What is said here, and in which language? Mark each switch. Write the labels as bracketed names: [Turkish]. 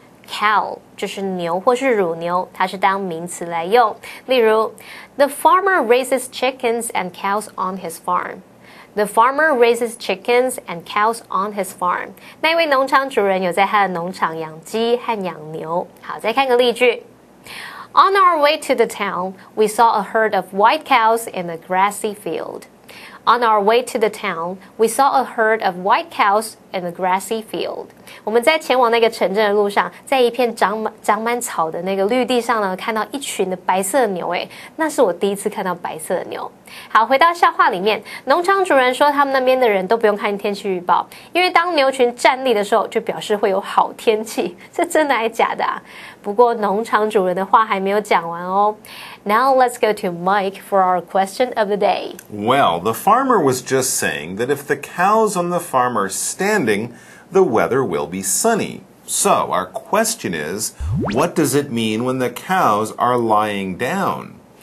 [Chinese] Cow 就是牛或是乳牛，它是当名词来用。例如 [English] ，The farmer raises chickens and cows on his farm. The farmer raises chickens and cows on his farm. [Chinese] 那位农场主人有在他的农场养鸡和养牛。好，再看个例句。 On our way to the town, we saw a herd of white cows in a grassy field. On our way to the town, we saw a herd of white cows in a grassy field. 我们在前往那个城镇的路上，在一片长满草的那个绿地上呢，看到一群的白色的牛。哎，那是我第一次看到白色的牛。好，回到笑话里面，农场主人说他们那边的人都不用看天气预报，因为当牛群站立的时候，就表示会有好天气。这真的还假的啊？不过农场主人的话还没有讲完哦。 [English] Now let's go to Mike for our question of the day. Well, the farmer was just saying that if the cows on the farm are standing, the weather will be sunny. So our question is, what does it mean when the cows are lying down?